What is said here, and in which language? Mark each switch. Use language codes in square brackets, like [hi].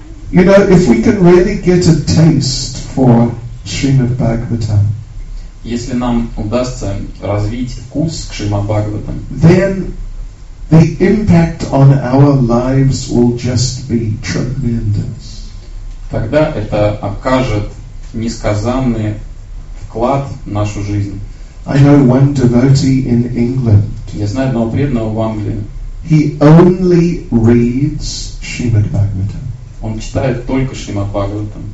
[en] You know, if we can really get a taste for Srimad Bhagavatam, [ru] если нам удастся развить вкус к Шримад Бхагаватам, [en] then the impact on our lives will just be tremendous. [ru] Тогда это окажет несказанные вклад в нашу жизнь. [en] I know one devotee in England. [ru] Я знаю одного преданного в Англии. [en] He only reads Shrimad Bhagavatam. [ru] Он читает только Шримад Бхагаватам.